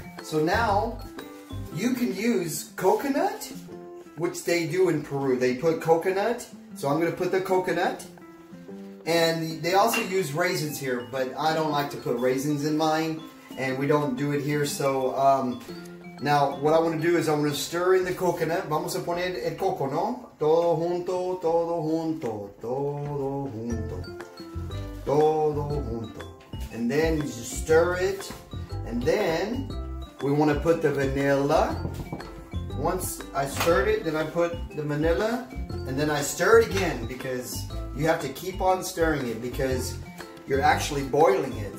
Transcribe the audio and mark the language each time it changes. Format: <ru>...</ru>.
<en>So now you can use coconut, which they do in Peru. They put coconut. So I'm going to put the coconut. And they also use raisins here, but I don't like to put raisins in mine, and we don't do it here. So now what I want to do is I'm going to stir in the coconut.</en> <es>Vamos a poner el coco, ¿no? Todo junto, todo junto, todo junto, todo junto.</es> <en>And then you just stir it, and then we want to put the vanilla. Once I stirred it, then I put the vanilla, and then I stir it again because you have to keep on stirring it because you're actually boiling it.</en>